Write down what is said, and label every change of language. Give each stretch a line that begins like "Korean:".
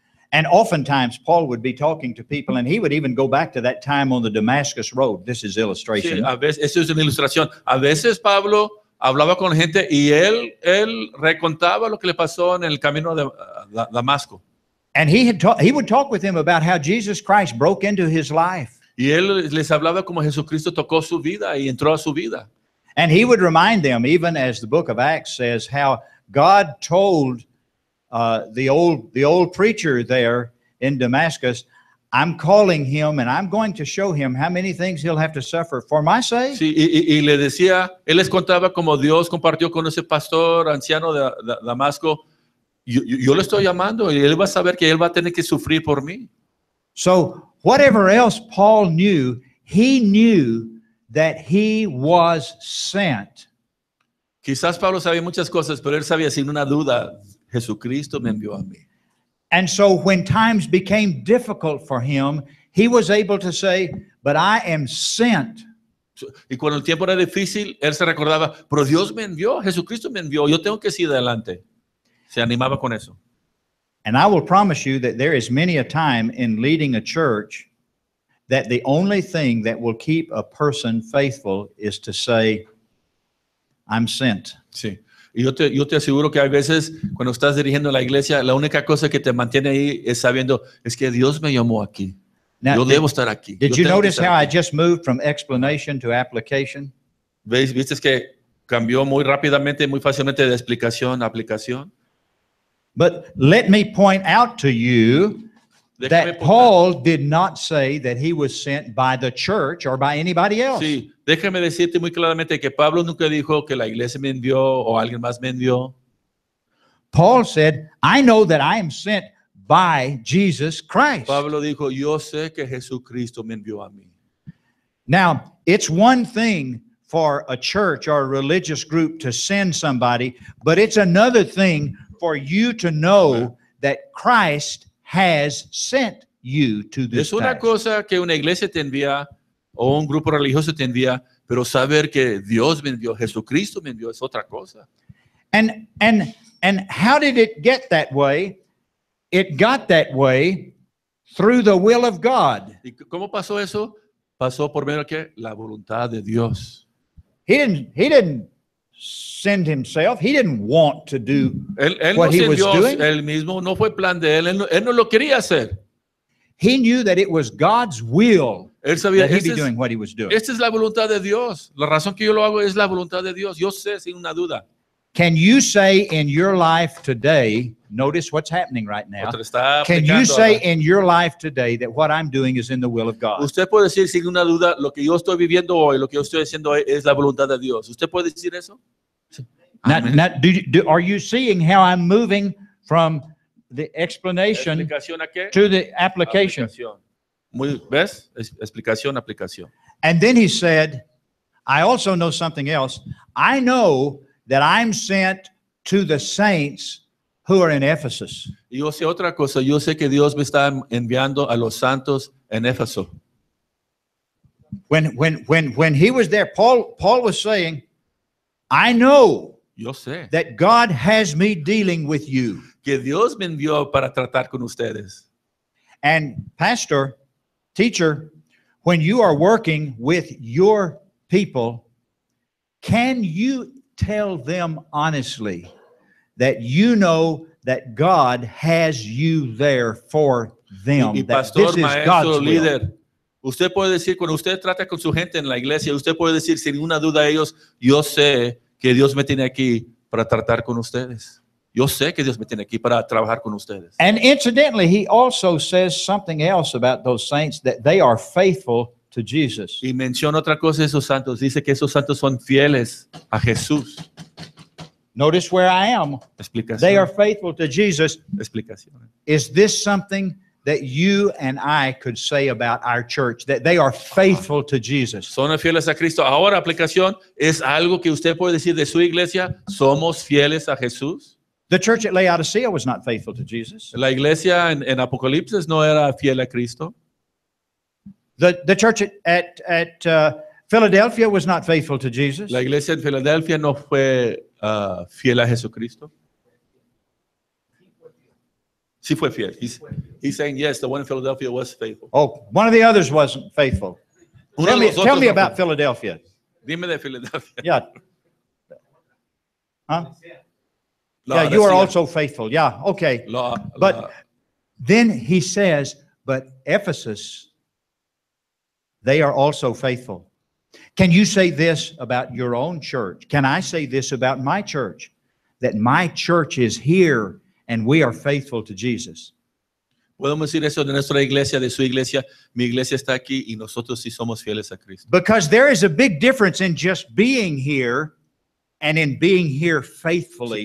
English: And oftentimes Paul would be talking to people and he would even go back to that time on the Damascus Road. This is illustration.
Spanish: Sí, a veces, eso es una ilustración. A veces Pablo hablaba con gente y él recontaba lo que le pasó en el camino de Damasco.
English: And he would talk with him about how Jesus Christ broke into his life.
Spanish: Y él les hablaba como Jesucristo tocó su vida y entró a su vida.
English: And he would remind them, even as the book of Acts says, how God told the old preacher there in Damascus, I'm calling him and I'm going to show him how many things he'll have to suffer for my sake.
Spanish: Sí, y le decía, él les contaba como Dios compartió con ese pastor anciano de Damasco, yo le estoy llamando y él va a saber que él va a tener que sufrir por mí.
English: So, whatever else Paul knew, he knew that he was sent.
Spanish: Quizás Pablo sabía muchas cosas, pero él sabía sin una duda, Jesucristo me envió a mí.
English: And so when times became difficult for him, he was able to say, but I am sent.
Spanish: Y cuando el tiempo era difícil, él se recordaba, pero Dios me envió, Jesucristo me envió, yo tengo que seguir adelante. Se animaba con eso.
English: And I will promise you that there is many a time in leading a church that the only thing that will keep a person faithful is to say, I'm sent.
Spanish: Sí. Y yo te aseguro que hay veces cuando estás dirigiendo la iglesia, la única cosa que te mantiene ahí es sabiendo, es que Dios me llamó aquí.
English: Now,
Spanish: yo debo estar aquí.
English: Did
Spanish: yo
English: you notice how
Spanish: aquí.
English: I just moved from explanation to application?
Spanish: ¿Viste que cambió muy rápidamente, muy fácilmente de explicación a aplicación?
English: But let me point out to you that Paul did not say that he was sent by the church or by anybody else.
Spanish: Sí, déjame decirte muy claramente que Pablo nunca dijo que la iglesia me envió o alguien más me envió.
English: Paul said, I know that I am sent by Jesus Christ.
Spanish: Pablo dijo, yo sé que Jesucristo me envió a mí.
English: Now, it's one thing for a church or a religious group to send somebody, but it's another thing for you to know that Christ has sent you to this.
Spanish: Es una cosa que una iglesia te envía, o un grupo religioso te envía, pero saber que Dios me envió, Jesucristo me envió, es otra cosa.
English: And how did it get that way? It got that way through the will of God.
Spanish: ¿Y cómo pasó eso? Pasó por medio de qué? La voluntad de Dios.
English: He didn't send himself. He didn't want to do what he was doing.
Spanish: Él mismo no fue plan de él. Él no lo quería hacer.
English: He knew that it was God's will that he'd be doing what he was doing.
Spanish: Esta es la voluntad de Dios. La razón que yo lo hago es la voluntad de Dios. Yo sé, sin una duda.
English: Can you say in your life today, notice what's happening right now. Can you say in your life today that what I'm doing is in the will of God?
Spanish: Usted puede decir sin una duda, lo que yo estoy viviendo hoy, lo que yo estoy haciendo hoy es la voluntad de Dios. ¿Usted puede decir eso?
English: Are you seeing how I'm moving from the explanation to the application?
Spanish: ¿Ves? Explicación, aplicación.
English: And then he said, I also know something else. I know that I'm sent to the saints who are in Ephesus.
Spanish: Yo sé otra cosa. Yo sé que Dios me está enviando a los santos en Éfeso.
English: When he was there, Paul was saying, I know
Spanish: yo sé
English: that God has me dealing with you.
Spanish: Que Dios me envió para tratar con ustedes.
English: And pastor, teacher, when you are working with your people, can you tell them honestly that you know that God has you there for them?
Spanish: Y pastor,
English: that this
Spanish: maestro,
English: is God's
Spanish: líder,
English: will.
Spanish: Usted puede decir, cuando usted trata con su gente en la iglesia, usted puede decir sin ninguna duda a ellos, yo sé que Dios me tiene aquí para tratar con ustedes. Yo sé que Dios me tiene aquí para trabajar con ustedes.
English: And incidentally, he also says something else about those saints, that they are faithful to Jesus.
Spanish: Y menciona otra cosa esos santos. Dice que esos santos son fieles a Jesús.
English: Notice where I am.
Spanish: Explicación.
English: They are faithful to Jesus.
Spanish: Explicación.
English: Is this something that you and I could say about our church, that they are faithful to Jesus?
Spanish: Son fieles a Cristo. Ahora, aplicación, es algo que usted puede decir de su iglesia, somos fieles a Jesús.
English: The church at Laodicea was not faithful to Jesus.
Spanish: La iglesia en Apocalipsis no era fiel a Cristo.
English: The church at Philadelphia was not faithful to Jesus.
Spanish: La iglesia en Filadelfia no fue fiel a Jesucristo. Sí fue fiel.
English: He's saying yes, the one in Philadelphia was faithful. Oh, one of the others wasn't faithful. Tell me about Philadelphia.
Spanish: Dime de Philadelphia.
English: Yeah. Huh? Yeah, you are also faithful. Yeah, okay. But then he says, but Ephesus, they are also faithful. Can you say this about your own church? Can I say this about my church? That my church is here and we are faithful to Jesus.
Spanish: Podemos decir eso de nuestra iglesia, de su iglesia. Mi iglesia está aquí y nosotros sí somos fieles a Cristo.
English: Because there is a big difference in just being here and in being here faithfully.